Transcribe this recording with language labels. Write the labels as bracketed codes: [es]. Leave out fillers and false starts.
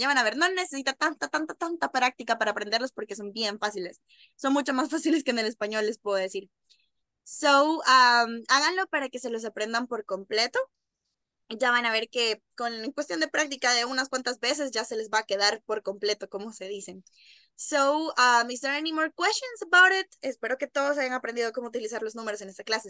[es] Ya van a ver, no necesita tanta práctica para aprenderlos, porque son bien fáciles. Son mucho más fáciles que en el español, les puedo decir. So, háganlo para que se los aprendan por completo. Ya van a ver que con cuestión de práctica de unas cuantas veces ya se les va a quedar por completo, como se dicen. [en] So, is there any more questions about it? [es] Espero que todos hayan aprendido cómo utilizar los números en esta clase.